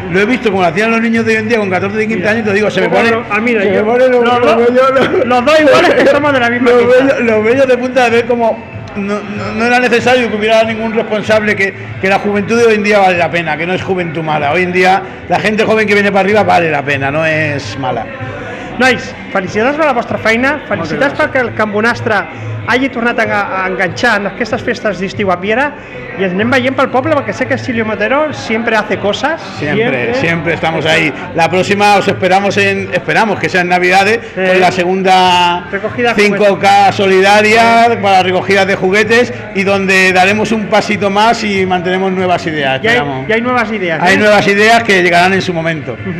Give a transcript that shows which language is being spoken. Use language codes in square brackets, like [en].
[es] Lo he visto como lo hacían los niños de hoy en día con 14 y 15 años, te digo, los bellos de punta de ver cómo no era necesario que hubiera ningún responsable, que la juventud de hoy en día vale la pena, que no es juventud mala. Hoy en día la gente joven que viene para arriba vale la pena, no es mala. [ca] Nois, felicitats per la vostra feina, felicitats perquè el Can Bonastre hagi tornat a enganxar en aquestes festes d'estiu a Piera, i ens anem veient pel poble perquè sé que Silvio Matero sempre [es] hace cosas. Siempre estamos ahí. La próxima os esperamos que sea en Navidades, con la segunda 5K solidaria para recogidas de juguetes, y donde daremos un pasito más y mantenemos nuevas ideas. Y hay nuevas ideas. Hay nuevas ideas que llegarán en su momento.